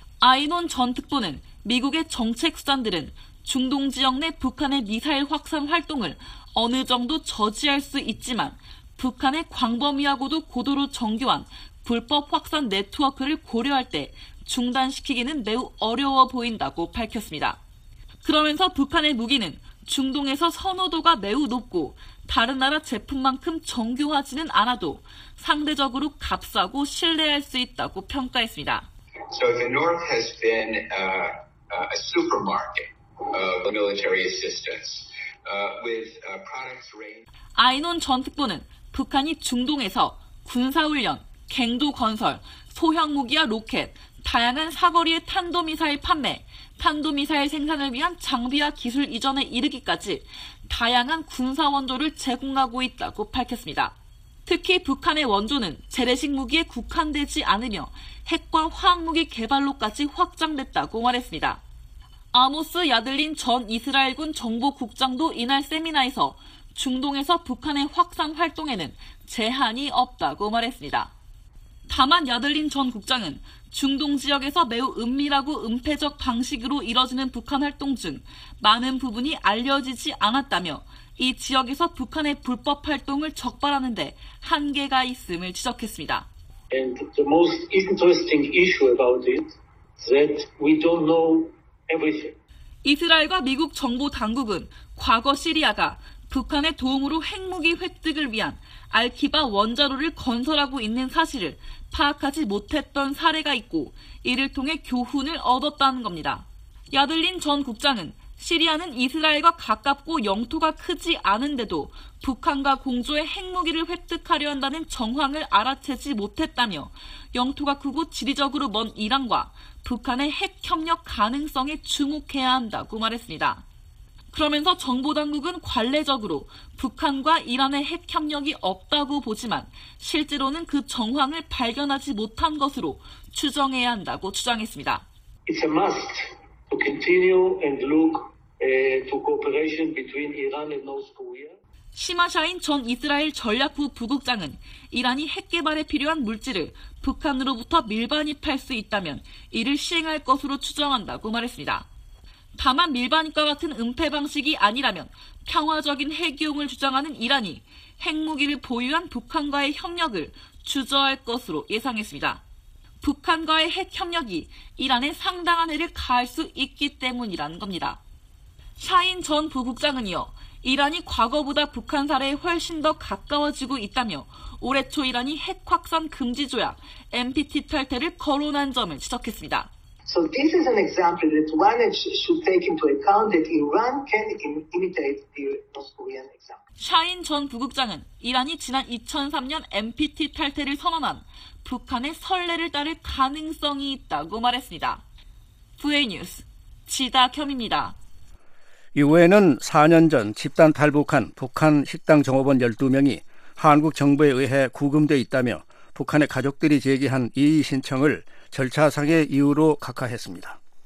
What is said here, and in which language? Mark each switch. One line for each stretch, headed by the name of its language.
Korean: 아이논 전 특보는 미국의 정책 수단들은 중동 지역 내 북한의 미사일 확산 활동을 어느 정도 저지할 수 있지만 북한의 광범위하고도 고도로 정교한 불법 확산 네트워크를 고려할 때 중단시키기는 매우 어려워 보인다고 밝혔습니다. 그러면서 북한의 무기는 중동에서 선호도가 매우 높고 다른 나라 제품만큼 정교하지는 않아도 상대적으로 값싸고 신뢰할 수 있다고 평가했습니다.
English: So the North has been a supermarket of military assistance. With products range.
Korean: 아이논 전 특보는 북한이 중동에서 군사훈련, 갱도 건설, 소형 무기와 로켓, 다양한 사거리의 탄도미사일 판매, 탄도미사일 생산을 위한 장비와 기술 이전에 이르기까지 다양한 군사 원조를 제공하고 있다고 밝혔습니다. 특히 북한의 원조는 재래식 무기에 국한되지 않으며 핵과 화학무기 개발로까지 확장됐다고 말했습니다. 아모스 야들린 전 이스라엘군 정보국장도 이날 세미나에서 중동에서 북한의 확산 활동에는 제한이 없다고 말했습니다. 다만 야들린 전 국장은 중동 지역에서 매우 은밀하고 은폐적 방식으로 이뤄지는 북한 활동 중 많은 부분이 알려지지 않았다며 이 지역에서 북한의 불법 활동을 적발하는 데 한계가 있음을 지적했습니다.
English: And the most interesting issue about it that we don't know everything.
Korean: 이스라엘과 미국 정보 당국은 과거 시리아가 북한의 도움으로 핵무기 획득을 위한 알키바 원자로를 건설하고 있는 사실을 파악하지 못했던 사례가 있고 이를 통해 교훈을 얻었다는 겁니다. 야들린 전 국장은 시리아는 이스라엘과 가깝고 영토가 크지 않은데도 북한과 공조해 핵무기를 획득하려 한다는 정황을 알아채지 못했다며 영토가 크고 지리적으로 먼 이란과 북한의 핵협력 가능성에 주목해야 한다고 말했습니다. 그러면서 정보당국은 관례적으로 북한과 이란의 핵협력이 없다고 보지만 실제로는 그 정황을 발견하지 못한 것으로 추정해야 한다고 주장했습니다.
English: It's a must to continue and look to cooperation between Iran and North Korea.
Korean: 시마샤인 전 이스라엘 전략부 부국장은 이란이 핵 개발에 필요한 물질을 북한으로부터 밀반입할 수 있다면 이를 시행할 것으로 추정한다고 말했습니다. 다만 밀반입과 같은 은폐 방식이 아니라면 평화적인 핵 이용을 주장하는 이란이 핵무기를 보유한 북한과의 협력을 주저할 것으로 예상했습니다. 북한과의 핵 협력이 이란에 상당한 해를 가할 수 있기 때문이라는 겁니다. 샤인 전 부국장은 이어 이란이 과거보다 북한 사례에 훨씬 더 가까워지고 있다며 올해 초 이란이 핵 확산 금지 조약 NPT 탈퇴를 거론한 점을 지적했습니다.
English: So this is an example that one should take into account that Iran can imitate the North Korean example.
Korean: 샤인 전 부국장은 이란이 지난 2003년 NPT 탈퇴를 선언한 북한의 선례를 따를 가능성이 있다고 말했습니다. 후에 뉴스 지다켐입니다. 유엔은 4년 전 집단 탈북한 북한 식당 종업원 12명이 한국 정부에 의해 구금돼 있다며 북한의 가족들이 제기한 이의 신청을 절차상의 이유로 각하했습니다.